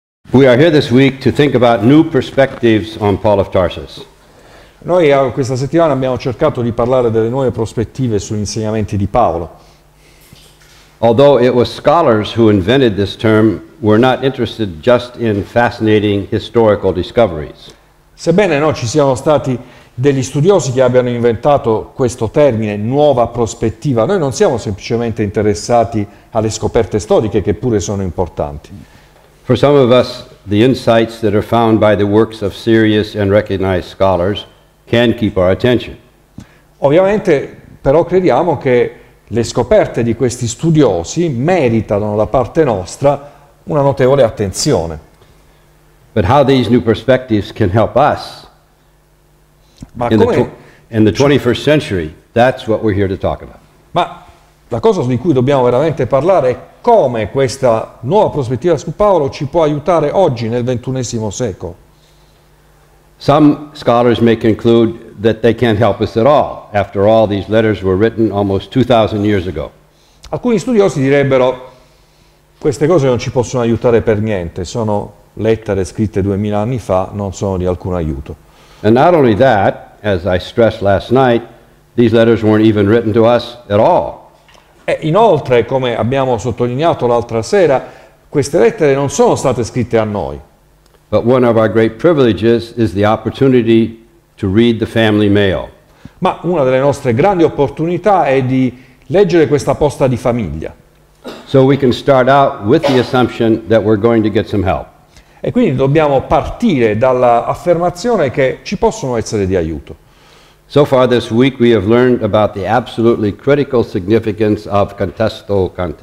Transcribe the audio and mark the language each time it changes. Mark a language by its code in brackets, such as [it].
[en] We are here this week to think about new perspectives on Paul of Tarsus. [it] Noi questa settimana abbiamo cercato di parlare delle nuove prospettive sugli insegnamenti di Paolo. [en] Although it was scholars who invented this term, we're not interested just in fascinating historical discoveries. [it] Sebbene noi ci siano stati degli studiosi che abbiano inventato questo termine, nuova prospettiva, noi non siamo semplicemente interessati alle scoperte storiche, che pure sono importanti. [en] For some of us, the insights that are found by the works of serious and recognized scholars can keep our attention. [it] Ovviamente, però, crediamo che le scoperte di questi studiosi meritano da parte nostra una notevole attenzione. [en] But how these new perspectives can help us in the 21st century, that's what we're here to talk about. [it] Ma la cosa di cui dobbiamo veramente parlare è come questa nuova prospettiva su Paolo ci può aiutare oggi nel XXI secolo. [en] Some scholars may conclude that they can't help us at all. After all, these letters were written almost 2,000 years ago. [it] Alcuni studiosi direbbero queste cose non ci possono aiutare per niente, sono lettere scritte 2000 anni fa, non sono di alcun aiuto. [en] And not only that, as I stressed last night, these letters weren't even written to us at all. [it] E inoltre, come abbiamo sottolineato l'altra sera, queste lettere non sono state scritte a noi. [en] But one of our great privileges is the opportunity to read the family mail. [it] Ma una delle nostre grandi opportunità è di leggere questa posta di famiglia. [en] So we can start out with the assumption that we're going to get some help. [it] E quindi dobbiamo partire dall'affermazione che ci possono essere di aiuto. [en] So far this week we have learned about the absolutely critical significance of contesto.